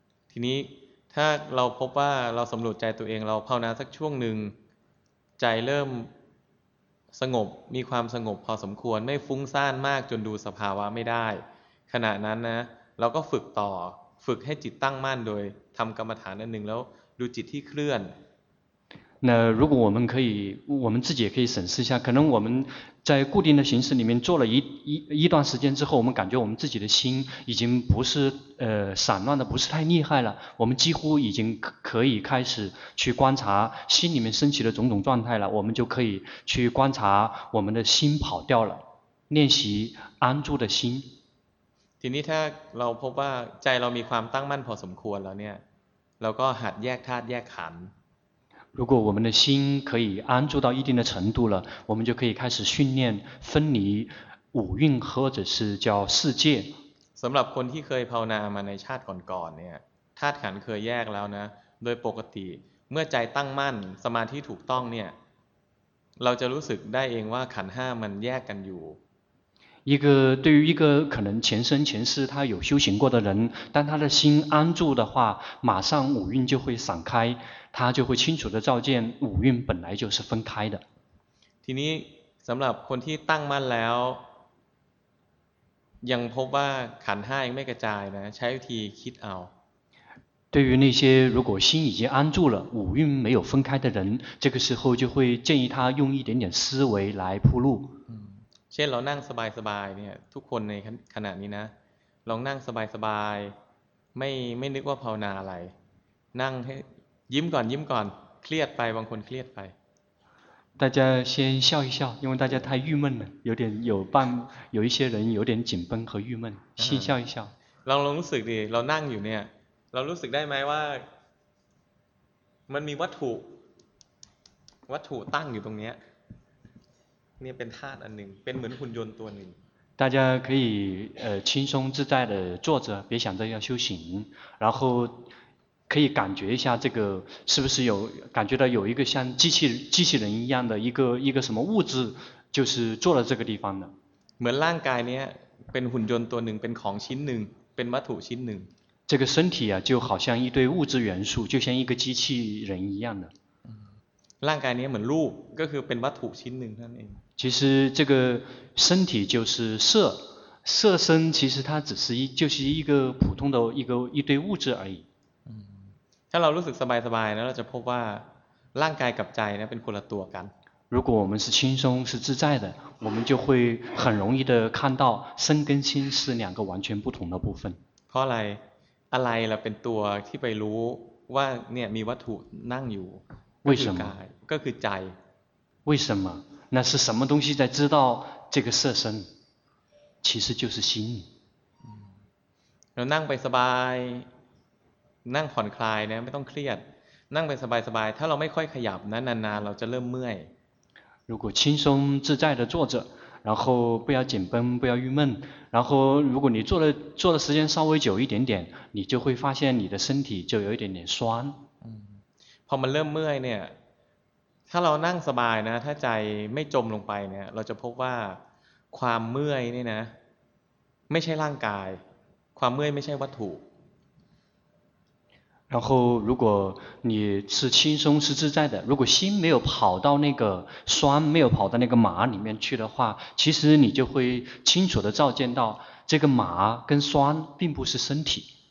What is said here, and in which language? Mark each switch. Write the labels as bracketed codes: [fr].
[th] ทีนี้ถ้าเราพบว่าเราสำรวจใจตัวเองเราภาวนาสักช่วงหนึ่งใจเริ่มสงบมีความสงบพอสมควรไม่ฟุ้งซ่านมากจนดูสภาวะไม่ได้ขณะนั้นนะเราก็ฝึกต่อฝึกให้จิตตั้งมั่นโดยทำกรรมฐานอันหนึ่งแล้วดูจิตที่เคลื่อน [zh] นะ如果我们可以我们自己也可以审视一下可能我们在固定的形式里面做了 一段时间之后我们感觉我们自己的心已经不是散乱的不是太厉害了我们几乎已经可以开始去观察心里面升起的种种状态了我们就可以去观察我们的心跑掉了练习安住的心 [th] ทีนี้ถ้าเราพบว่าใจเรามีความตั้งมั่นพอสมควรแล้วเนี่ยเราก็หัดแยกธาตุแยกขันธ์ [zh] 如果我们的心可以安住到一定的程度了我们就可以开始训练分离五蕴或者是叫世界 [th] สำหรับคนที่เคยภาวนามาในชาติก่อนๆเนี่ยธาตุขันธ์เคยแยกแล้วนะโดยปกติเมื่อใจตั้งมั่นสมาธิถูกต้องเนี่ยเราจะรู้สึกได้เองว่าขันธ์ห้ามันแยกกันอยู่ [zh] 一个对于一个可能前生前世他有修行过的人当他的心安住的话马上五蕴就会散开他就会清楚地照见五蕴本来就是分开的 [th] ทีนี้สำหรับคนที่ตั้งมั่นแล้วยังพบว่าขันธ์ห้ายังไม่กระจายนะใช้วิธีคิดเอา [zh] 对于那些如果心已经安住了五蕴没有分开的人，这个时候就会建议他用一点点思维来铺路。嗯， [th] เช่นเรานั่งสบายสบายเนี่ยทุกคนในขณะนี้นะลองนั่งสบายสบายไม่นึกว่าภาวนาอะไรนั่งให้ยิ้มก่อนยิ้มก่อนเครียดไปบางคนเครียดไป [zh] 大家先笑一笑，因为大家太郁闷了，有点有半有一些人有点紧绷和郁闷，先笑一笑。 [th] ลองรู้สึกดิเรานั่งอยู่เนี่ยเรารู้สึกได้ไหมว่ามันมีวัตถุตั้งอยู่ตรงนี้เนี่ยเป็นธาตุอันหนึ่งเป็นเหมือนหุ่นยนต์ตัวหนึ่ง [zh] 大家可以轻松自在的坐着，别想着要修行，然后可以感觉一下这个是不是有感觉到有一个像机器人一样的一个什么物质，就是坐了这个地方的。 [th] เหมือนร่างกายเนี่ยเป็นหุ่นยนต์ตัวหนึ่งเป็นของชิ้นหนึ่งเป็นวัตถุชิ้นหนึ่ง [zh] 这个身体啊，就好像一堆物质元素，就像一个机器人一样的。 [th] ร่างกายนี้เหมือนรูปก็คือเป็นวัตถุชิ้นหนึ่งนั่นเอง。 [zh] 其实这个身体就是色身，其实它只是就是一个普通的一堆物质而已。 [th] ถ้าเรารู้สึกสบายสบายนะเราจะพบว่าร่างกายกับใจนะเป็นคนละตัวกัน。 [zh] 如果我们是轻松是自在的，我们就会很容易的看到身跟心是两个完全不同的部分。 [th] เพราะอะไรอะไรล่ะเป็นตัวที่ไปรู้ว่าเนี่ยมีวัตถุนั่งอยู่ [zh] 为什么 [th] ก็คือใจ [zh] 为什么那是什么东西在知道这个色身其实就是心 [th] เรานั่งไปสบายนั่งผ่อนคลายนะไม่ต้องเครียดนั่งไปสบายๆถ้าเราไม่ค่อยขยับนะนานๆเราจะเริ่มเมื่อย [zh] 如果轻松自在的坐着然后不要紧绷不要郁闷然后如果你坐的时间稍微久一点点你就会发现你的身体就有一点点酸 [th] พอมันเริ่มเมื่อยเนี่ยถ้าเรานั่งสบายนะถ้าใจไม่จมลงไปเนี่ยเราจะพบว่าความเมื่อยนี่นะไม่ใช่ร่างกายความเมื่อยไม่ใช่วัตถุ [zh] 然后如果你是轻松是自在的如果心没有跑到那个酸没有跑到那个麻里面去的话其实你就会清楚地照见到这个麻跟酸并不是身体